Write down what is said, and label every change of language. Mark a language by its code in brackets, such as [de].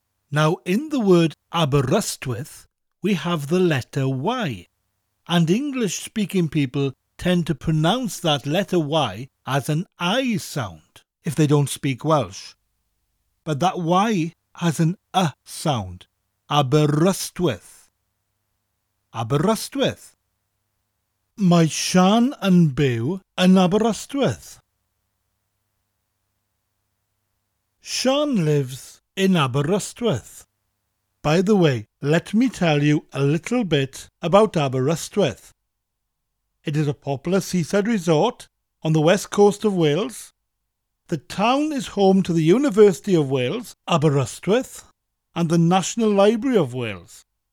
[en] Now, in the word Aberystwyth, we have the letter Y, and English-speaking people tend to pronounce that letter Y as an I sound if they don't speak Welsh. But that Y has an A sound, Aberystwyth. Aberystwyth. [cy] Mae Sian yn byw yn Aberystwyth. [en] Sian lives in Aberystwyth. By the way, let me tell you a little bit about Aberystwyth. It is a popular seaside resort on the west coast of Wales. The town is home to the University of Wales, Aberystwyth, and the National Library of Wales.